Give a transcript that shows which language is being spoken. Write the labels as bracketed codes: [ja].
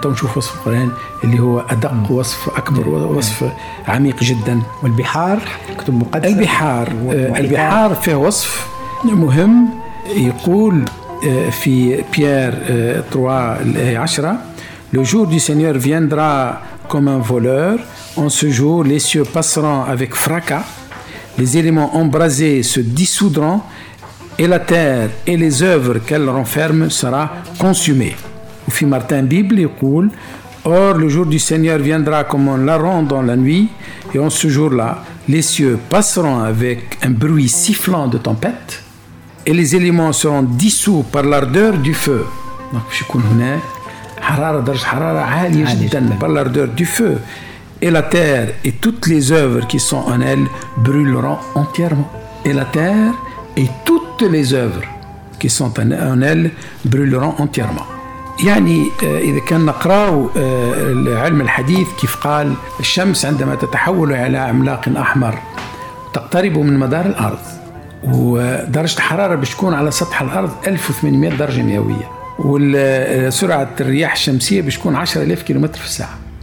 [ar] تو نشوف وصف القرآن اللي هو أدق وصف أكبر وصف عميق جدا. والبحار كتب مقدسة. البحار البحار فيه وصف مهم يقول في بيير 3:10 [fr] le jour du Seigneur viendra comme un voleur. En ce jour, les cieux passeront avec fracas, les éléments embrasés se dissoudront et la terre et les œuvres qu'elle renferme sera consumée. Ou fi Martin Bible [ar] يقول [fr] or le jour du Seigneur viendra comme un larron dans la nuit et en ce jour-là les cieux passeront avec un bruit sifflant de tempête et les éléments seront dissous par l'ardeur du feu. Donc je connais [ar] حرارة درجة حرارة عالية جدا [fr] par l'ardeur du feu et la terre et toutes les œuvres qui sont en elle brûleront entièrement. Et la terre et toutes les œuvres qui sont en elle brûleront entièrement. [ar] يعني إذا كان نقرأ العلم الحديث كيف قال الشمس عندما تتحول إلى عملاق أحمر تقترب من مدار الأرض ودرجة حرارة بشكون على سطح الأرض 1800 درجة مئوية والسرعة الرياح الشمسية بشكون 10,000 كيلومتر في الساعة.